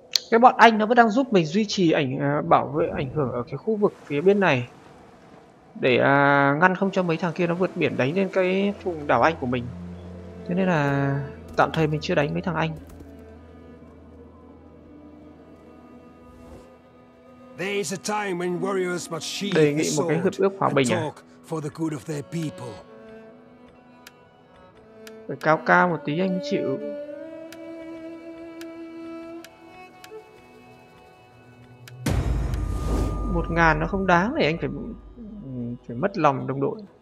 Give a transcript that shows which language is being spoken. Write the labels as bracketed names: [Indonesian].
[Vietnamese] Cái bọn Anh nó vẫn đang giúp mình duy trì ảnh bảo vệ ảnh hưởng ở cái khu vực phía bên này. Để ngăn không cho mấy thằng kia nó vượt biển đánh lên cái vùng đảo Anh của mình. Thế nên là tạm thời mình chưa đánh mấy thằng Anh. [English] There's a time when warriors must sheathe the sword and talk for the good of their people. [Vietnamese] Phải cao cao một tí anh mới chịu. Một ngàn nó không đáng để anh phải mất lòng đồng đội.